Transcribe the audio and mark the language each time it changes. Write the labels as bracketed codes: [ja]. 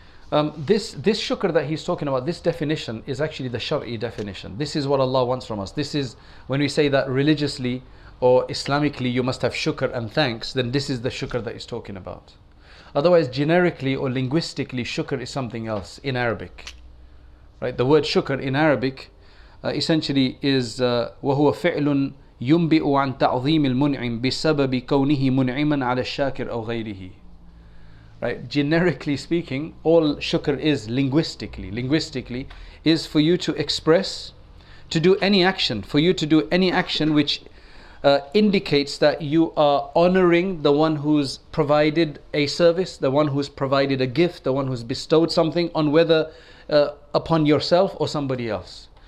[en] This shukr that he's talking about, this definition is actually the shar'i definition. This is what Allah wants from us. This is when we say that religiously or Islamically you must have shukr and thanks, then this is the shukr that he's talking about. Otherwise, generically or linguistically, shukr is something else in Arabic. Right? The word shukr in Arabic essentially is [ar] وَهُوَ فِعْلٌ يُنْبِئُ عَنْ تَعْظِيمِ الْمُنْعِمِ بِسَبَبِ كَوْنِهِ مُنْعِمًا عَلَى الشَّاكِرِ أَوْ غَيْرِهِ. [en] Right, generically speaking, all shukr is linguistically, is for you to express, to do any action, for you to do any action which indicates that you are honoring the one who's provided a service, the one who's provided a gift, the one who's bestowed something on whether upon yourself or somebody else.